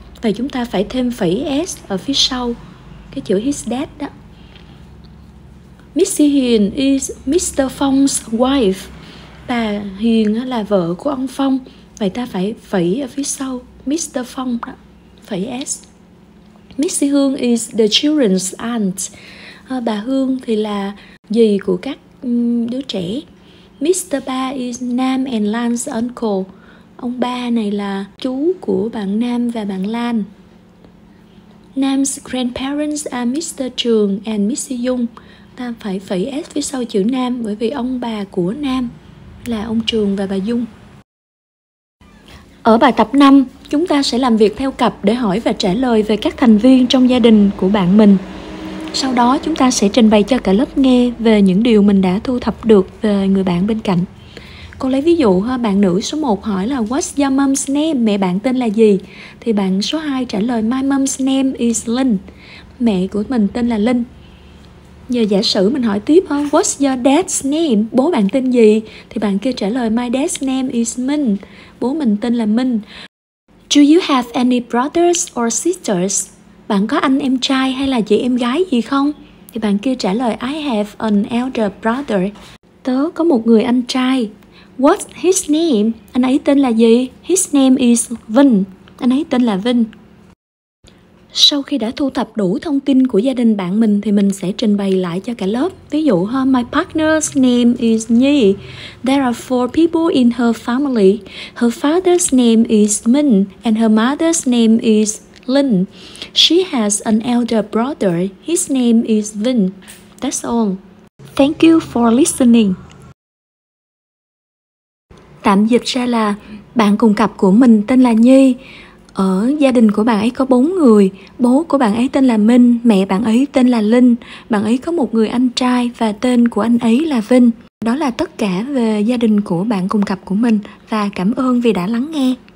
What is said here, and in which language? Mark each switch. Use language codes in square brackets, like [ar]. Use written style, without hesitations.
[vi] Vậy chúng ta phải thêm phẩy S ở phía sau cái chữ his dad đó. [en] Missy Hiền is Mr. Phong's wife. [vi] Bà Hiền là vợ của ông Phong. Vậy ta phải phẩy ở phía sau Mr. Phong đó, phẩy S. [en] Missy Hương is the children's aunt. [vi] Bà Hương thì là dì của các đứa trẻ. Mr. [en] Ba is Nam and Lan's uncle. [vi] Ông Ba này là chú của bạn Nam và bạn Lan. [en] Nam's grandparents are Mr. Trường and Missy Dung. [vi] Ta phải phẩy S phía sau chữ Nam, bởi vì ông bà của Nam là ông Trường và bà Dung. Ở bài tập 5, chúng ta sẽ làm việc theo cặp để hỏi và trả lời về các thành viên trong gia đình của bạn mình. Sau đó chúng ta sẽ trình bày cho cả lớp nghe về những điều mình đã thu thập được về người bạn bên cạnh. Cô lấy ví dụ, bạn nữ số 1 hỏi là [en] What's your mom's name? [vi] Mẹ bạn tên là gì? Thì bạn số 2 trả lời [en] My mom's name is Linh. [vi] Mẹ của mình tên là Linh. Giờ giả sử mình hỏi tiếp, [en] What's your dad's name? [vi] Bố bạn tên gì? Thì bạn kia trả lời [en] My dad's name is Minh. [vi] Bố mình tên là Minh. [en] Do you have any brothers or sisters? [vi] Bạn có anh em trai hay là chị em gái gì không? Thì bạn kia trả lời [en] I have an elder brother. [vi] Tớ có một người anh trai. [en] What's his name? [vi] Anh ấy tên là gì? [en] His name is Vinh. [vi] Anh ấy tên là Vinh. Sau khi đã thu thập đủ thông tin của gia đình bạn mình thì mình sẽ trình bày lại cho cả lớp. Ví dụ, [en] my partner's name is Nhi. There are 4 people in her family. Her father's name is Minh and her mother's name is Linh. She has an elder brother. His name is Vinh. That's all. Thank you for listening. [vi] tạm dịch ra là bạn cùng cặp của mình tên là Nhi. Ở gia đình của bạn ấy có 4 người, bố của bạn ấy tên là Minh, mẹ bạn ấy tên là Linh, bạn ấy có một người anh trai và tên của anh ấy là Vinh. Đó là tất cả về gia đình của bạn cùng cặp của mình và cảm ơn vì đã lắng nghe.